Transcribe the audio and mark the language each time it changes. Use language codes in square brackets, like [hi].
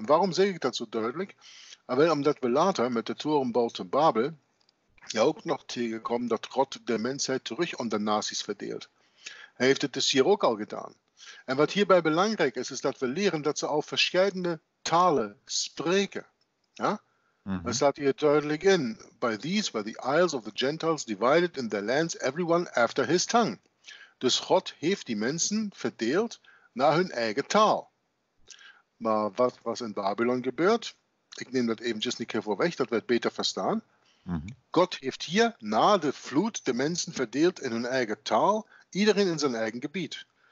[nl] En waarom zeg ik dat zo duidelijk? Wel, omdat we later met de torenbouw te Babel ja ook nog tegenkomen dat God de mensheid terug onder nazi's verdeelt. Hij heeft het dus hier ook al gedaan. En wat hierbij belangrijk is, is dat we leren dat ze al verschillende talen spreken. Ja? Mm-hmm. Er staat hier duidelijk in. [en] By these were the isles of the Gentiles divided in their lands, everyone after his tongue. [nl] Dus God heeft die mensen verdeeld naar hun eigen taal. Maar wat was in Babylon gebeurd? Ik neem dat eventjes een keer voor weg, dat we het beter verstaan. Mm-hmm. God heeft hier na de vloed de mensen verdeeld in hun eigen taal, iedereen in zijn eigen gebied.